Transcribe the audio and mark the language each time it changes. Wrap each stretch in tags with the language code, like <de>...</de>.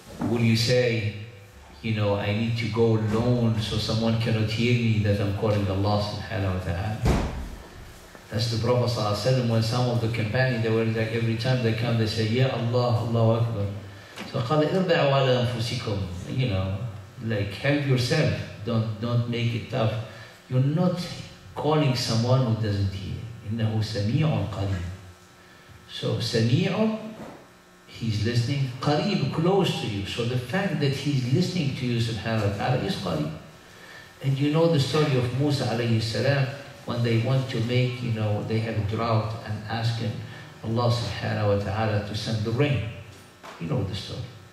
<en>Will you say, you know, I need to go alone so someone cannot hear me that I'm calling Allah subhanahu wa ta'ala? That's the Prophet sallallahu alaihi wasallam when some of the companions, they were like, every time they come, they say, Ya Allah, Allahu Akbar. So,</en> <ar>قَالَ اِرْبَعُوا عَلَىٰ أَنفُسِكُمْ,</ar> <en>you know. Like help yourself. Don't make it tough. You're not calling someone who doesn't hear.</en> <ar>إِنَّهُ سَمِيعٌ قَرِيبٌ</ar> <en>So</en> <ar>سَمِيعٌ,</ar> <en>he's listening. قَرِيبٌ, close to you. So the fact that he's listening to you subhanahu wa ta'ala is قَرِيبٌ. And you know the story of Musa alayhi salam when they want to make, you know, they have a drought and ask him, Allah subhanahu wa ta'ala to send the rain. You know the story.</en>